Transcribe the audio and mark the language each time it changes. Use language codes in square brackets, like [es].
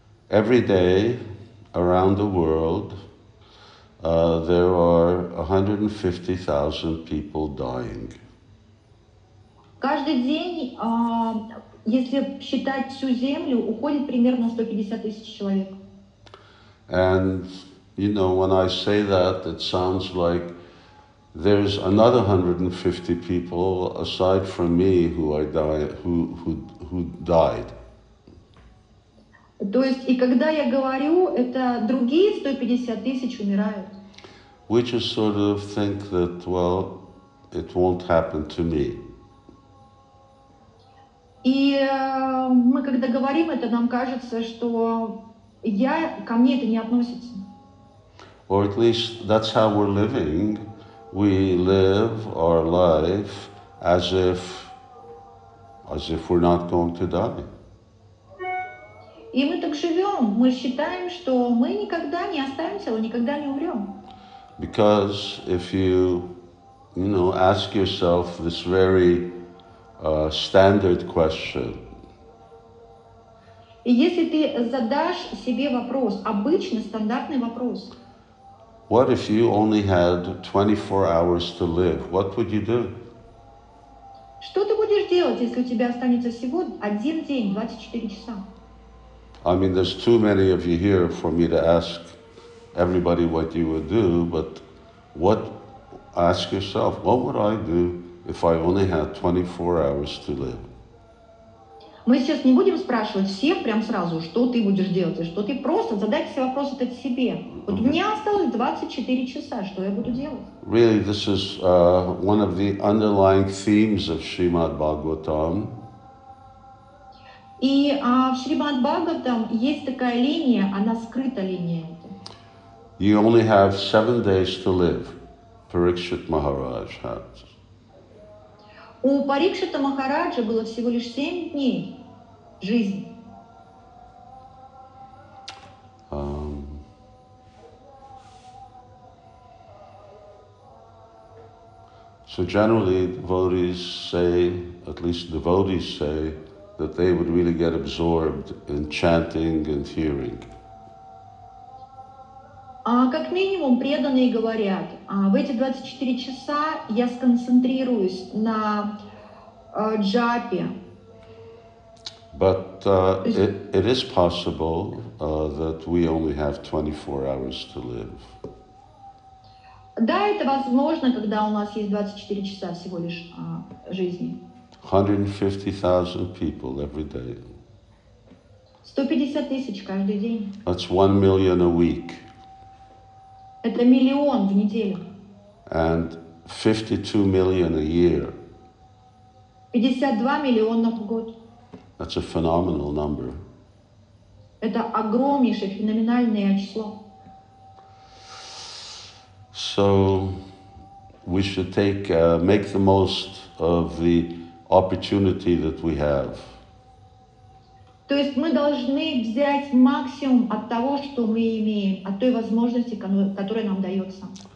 [en] Every day around the world, there are 150,000 people dying. [ru] Каждый день, если считать всю землю, уходит примерно 150 тысяч человек. [en] And, you know, when I say that, it sounds like there's another 150 people aside from me who died. [ru] То есть, и когда я говорю, это другие 150 тысяч умирают. [en] We just sort of think that, well, it won't happen to me. [ru] И мы когда говорим это, нам кажется, что я, ко мне это не относится. [en] Or at least that's how we're living. We live our life as if we're not going to die. [ru] И мы так живем, мы считаем, что мы никогда не останемся, мы никогда не умрем. [en] Because if you ask yourself this very standard question. [ru] И если ты задашь себе вопрос, обычный стандартный вопрос. [en] What if you only had 24 hours to live? What would you do? [ru] Что ты будешь делать, если у тебя останется всего один день, 24 часа? [en] I mean, there's too many of you here for me to ask everybody what you would do, but what, ask yourself, what would I do if I only had 24 hours to live? [ru] Мы сейчас не будем спрашивать всех прям сразу, что ты будешь делать, и что ты просто задайте себе вопрос этот себе. Вот мне осталось 24 часа, что я буду делать? [en] Really, this is one of the underlying themes of Srimad Bhagavatam. [ru] И в Шримад Бхагаватам есть такая линия, она скрыта линия. [en] You only have 7 days to live, Parikshit Maharaj had. [ru] У Парикшита Махараджа было всего лишь 7 дней жизни. [en] So generally devotees say, at least devotees say, that they would really get absorbed in chanting and hearing. [ru] Как минимум, преданные говорят, в эти 24 часа я сконцентрируюсь на джапе. [en] But it is possible that we only have 24 hours to live. [ru] Да, это возможно, когда у нас есть 24 часа всего лишь жизни. [en] 150,000 people every day. [ru] 150 тысяч каждый день. [en] That's 1 million a week. [ru] Это миллион в неделю. [en] And 52 million a year. [ru] 52 миллиона в год. [en] That's a phenomenal number. [ru] Это огромнейшее, феноменальное число. [en] So we should take make the most of the opportunity that we have. [ru] То есть мы должны взять максимум от того, что мы имеем, от той возможности, которая нам дается.